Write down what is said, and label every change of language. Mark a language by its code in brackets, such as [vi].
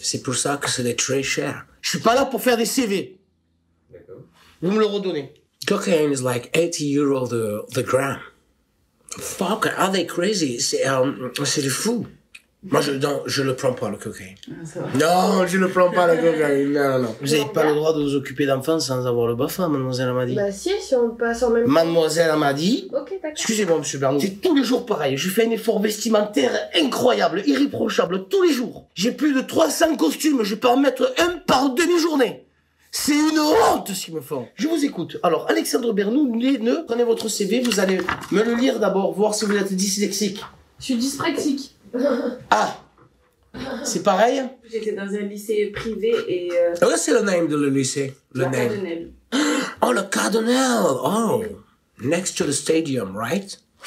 [fr] C'est pour ça que c'est très cher. Je suis pas là pour faire des CV. D'accord. Vous me le redonnez. [en] Cocaine is like 80 euros the gram. Fuck, are they crazy? [fr] C'est le fou. Moi, je le prends pas, le cocaïne. Non, je ne prends pas, le cocaïne. Non. Vous n'avez pas le droit de vous occuper d'enfants sans avoir le BAFA, mademoiselle Amadi. Bah si, si on passe en même temps. Mademoiselle Amadi. Ok, d'accord. Excusez-moi, monsieur Bernoux. C'est tous les jours pareil. Je fais un effort vestimentaire incroyable, irréprochable, tous les jours. J'ai plus de 300 costumes. Je peux en mettre un par demi-journée. C'est une honte, ce qu'ils me font. Je vous écoute. Alors, Alexandre Bernoux, prenez votre CV. Vous allez me le lire d'abord, voir si vous êtes dyslexique. Je suis dyspraxique. Ah, c'est pareil. J'étais dans un lycée privé et. Oh, c'est le name de le lycée. Le la [en] name. [fr] Cardinal. Oh, le Cardinal. [en] Oh, next to the stadium, right?